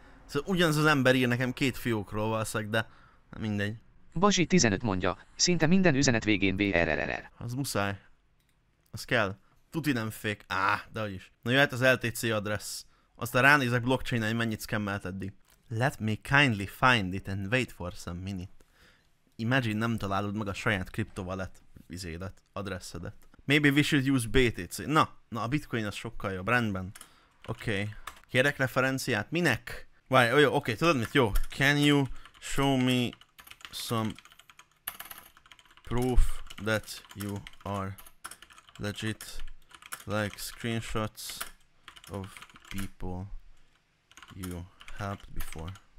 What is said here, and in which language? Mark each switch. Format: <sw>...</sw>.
<hu>Szóval ugyanaz az ember ír nekem két fiókról valószínűleg, de mindegy. Bazsi 15 mondja, szinte minden üzenet végén BRRR. Az muszáj. Az kell. Tuti nem fék. Áh, dehogy is. Na jöhet az LTC adressz. Aztán ránézek blockchain-en, hogy mennyit szkemmelt eddig.</hu> <en>Let me kindly find it and wait for some minute.</en> <hu>Imagine nem találod meg a saját kriptovalet vizédet, adresszedet.</hu> <en>Maybe we should use BTC.</en> <hu>Na a bitcoin az sokkal jobb, rendben. Oké. Okay. Kérek referenciát? Minek? Várj, jó, oké, tudod mit? Jó.</hu> <en>Can you show me some proof that you are legit, like screenshots of people you helped before?</en>